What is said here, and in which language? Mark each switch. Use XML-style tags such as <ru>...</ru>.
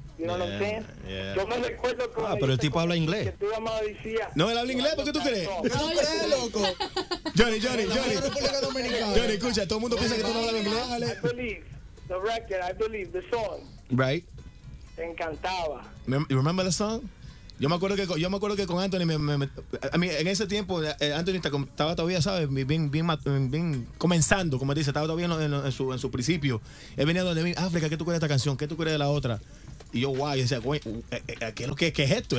<en>You know what I'm saying?</en> <es>Yo me recuerdo con... Ah, pero el tipo habla inglés. Que tu mamá decía... No, él habla inglés, ¿por qué tú crees? ¿Tú crees, loco? Johnny, Johnny, escucha, todo el mundo piensa que tú no hablas inglés.</es> <en>I believe the record, I believe the song. Right.</en> <es>Te encantaba.</es> <en>You remember the song?</en> <es>Yo me acuerdo que con Anthony en ese tiempo Anthony estaba todavía, sabes, bien comenzando, como dice, estaba todavía en su principio. Él venía donde mí, África, ¿qué tú crees de esta canción? ¿Qué tú crees de la otra? Y yo, wow, y decía, ¿qué es esto?</es>